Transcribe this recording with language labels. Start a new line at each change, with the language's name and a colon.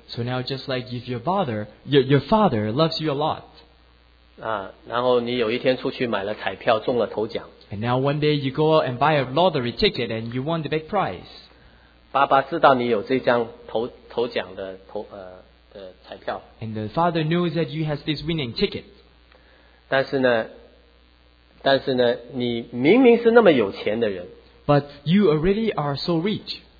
English: so now just like if your father, your father loves you a lot.
Chinese: 然后你有一天出去买了彩票中了头奖,
English: and now one day you go out and buy a lottery ticket and you won the big prize.
Chinese: 爸爸知道你有这张头奖的彩票,
English: and the father knows that you have this winning ticket.
Chinese: 但是呢你明明是那么有钱的人,
English: but you already are so rich.